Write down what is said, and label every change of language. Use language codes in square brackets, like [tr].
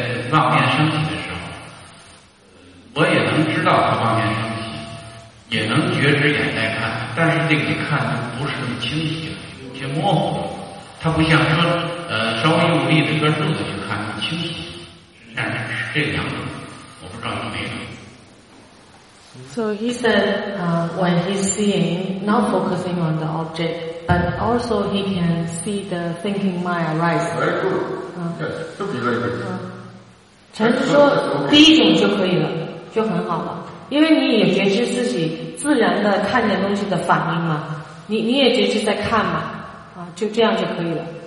[zh] 妄念升起的时候，我也能知道它妄念升起，也能觉知眼在看，但是这个看就不是那么清晰了，有些模糊了。它不像说稍微用力这个柱子去看更清晰，实际上是这两种，我不知道有没有。 [en] So he said, when he's seeing, not focusing on the object, but also he can see the thinking mind arise. Very good. Yes, very good. [zh] 禅师说第一种就可以了，就很好了，因为你也觉知自己自然的看见东西的反应嘛，你也觉知在看嘛，啊，就这样就可以了。